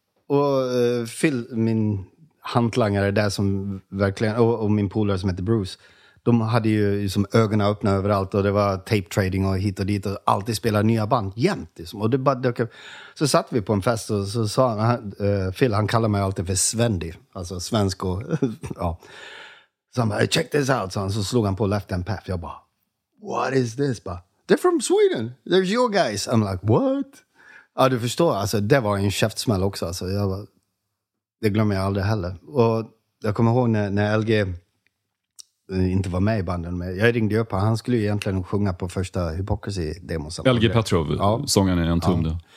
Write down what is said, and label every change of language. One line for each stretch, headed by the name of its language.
Swedish: Och Phil, min hantlangare där som verkligen, och min polare som heter Bruce, de hade ju liksom ögonen öppna överallt och det var tape trading och hit och dit och alltid spelade nya band jämt liksom. Och det bara dök upp. Så satt vi på en fest och så sa han, Phil, han kallade mig alltid för Svendi, alltså svensk och ja. Så han bara,
English: check this out,
Swedish: så slog han på Left Hand Path. Jag bara,
English: what is this?
Swedish: Ba,
English: they're from Sweden, they're your guys. I'm like, what?
Swedish: Ja, du förstår, alltså det var en käftsmäll också, alltså jag bara, det glömmer jag aldrig heller. Och jag kommer ihåg när LG inte var med i banden. Men jag ringde upp han. Han skulle ju egentligen sjunga på första Hypocrisy-demos. LG Petrov, ja. Sången är en tumde. Ja.